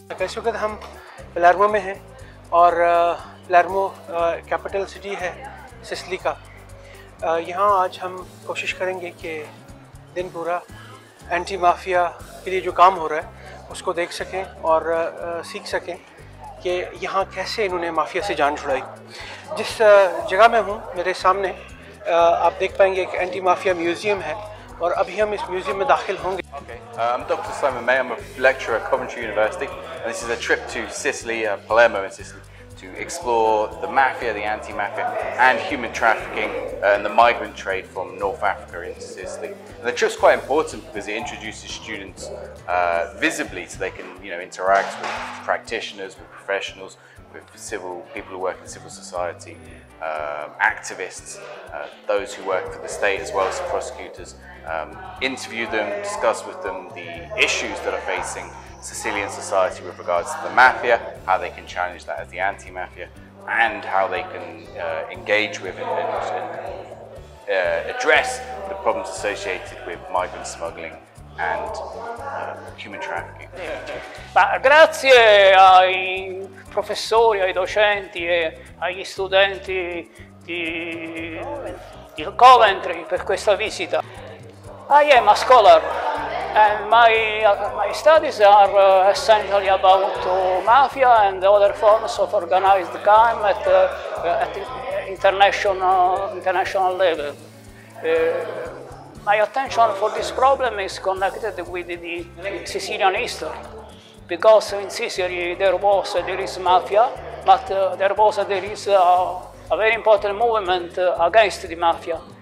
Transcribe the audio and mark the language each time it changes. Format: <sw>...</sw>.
<ur>اس وقت ہم پلارمو میں ہیں اور پلارمو کیپٹل سٹی ہے سسلی کا۔ یہاں آج ہم کوشش کریں گے کہ دن پورا اینٹی مافیا کے لیے جو کام ہو رہا ہے اس کو دیکھ سکیں اور سیکھ سکیں کہ یہاں کیسے انہوں نے مافیا سے جان چھڑائی۔ جس جگہ میں ہوں میرے سامنے آپ دیکھ پائیں گے ایک اینٹی مافیا میوزیم ہے اور ابھی ہم اس میوزیم میں داخل ہوں گے۔</ur> <en>I'm Dr. Simon May. I'm a lecturer at Coventry University and this is a trip to Sicily, Palermo in Sicily, to explore the mafia, the anti-mafia and human trafficking and the migrant trade from North Africa into Sicily. And the trip's quite important because it introduces students visibly so they can, you know, interact with practitioners, with professionals, with civil people who work in civil society, activists, those who work for the state as well as the prosecutors. Interview them, discuss with them the issues that are facing Sicilian society with regards to the mafia, how they can challenge that as the anti-mafia, and how they can engage with and address the problems associated with migrant smuggling and human trafficking.</en> <it>Grazie ai professori, ai docenti e agli studenti di Coventry per questa visita.</it> <en>I am a scholar, and my studies are essentially about mafia and the other forms of organized crime at international level. My attention for this problem is connected with the Sicilian history, because in Sicily there is mafia, but there is a very important movement against the mafia.</en>